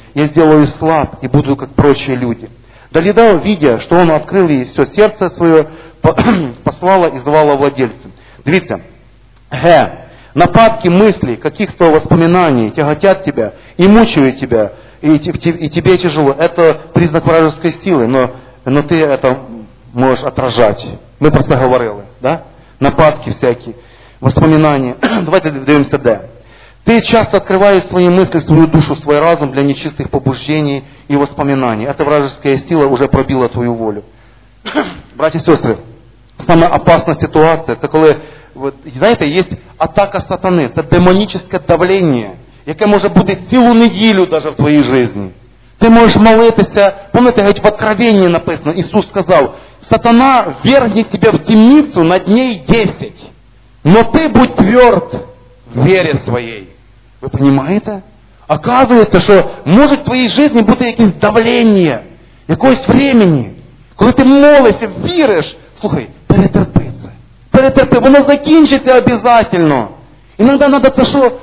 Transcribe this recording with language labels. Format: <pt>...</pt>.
<uk>Я зроблю слаб і буду, як прочі люди. Далідав, видя, що він відкрив їй все серце своє, послала і звала владельцем. Дивіться. Ге.</uk> <ru>Нападки мислі, каких-то воспоминаний тяготять тебе і мучають тебе, и тебе тяжело. Это признак вражеской силы, но ты это можешь отражать. Мы про это говорили, да? Нападки всякие, воспоминания. Давайте дивимся Д. Ты часто открываешь свои мысли, свою душу, свой разум для нечистых побуждений и воспоминаний. Эта вражеская сила уже пробила твою волю. Братья и сестры, самая опасная ситуация, это когда, вот, знаете, есть атака сатаны, это демоническое давление,</ru> <uk>яке може бути цілу неділю навіть в твоїй житті. Ти можеш молитися, пам'ятаєте, навіть в Откровенні написано, Ісус сказав, «Сатана верне тебе в темницю на дней 10, но ти будь тверд в вірі своєї». Ви розумієте? Оказується, що може в твоїй житті бути якесь давлення, якогось времени, коли ти молишся, віриш, слухай, перетерпи це, перетерпи, воно закінчиться обов'язково. Іноді треба це що?</uk>